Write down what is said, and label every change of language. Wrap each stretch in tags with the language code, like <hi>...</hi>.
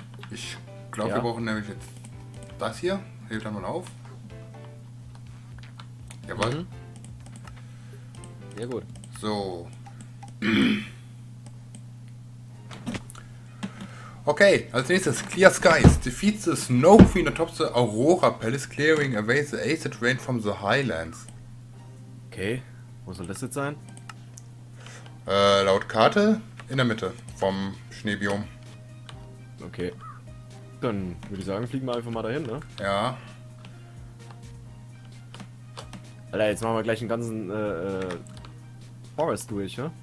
<de>Ich glaube, ja. Wir brauchen nämlich jetzt das hier. Hebe dann mal auf. Jawohl. Mhm. Sehr gut. So. Okay, als nächstes Clear Skies.</de> <en>Defeat the Snow Queen atop the Aurora Palace, clearing away the acid rain from the Highlands.</en> <de>Okay, wo soll das jetzt sein? Laut Karte in der Mitte vom Schneebiom. Okay. Dann würde ich sagen, fliegen wir einfach mal dahin, ne? Ja. Alter, jetzt machen wir gleich einen ganzen Forest durch, ja?</de>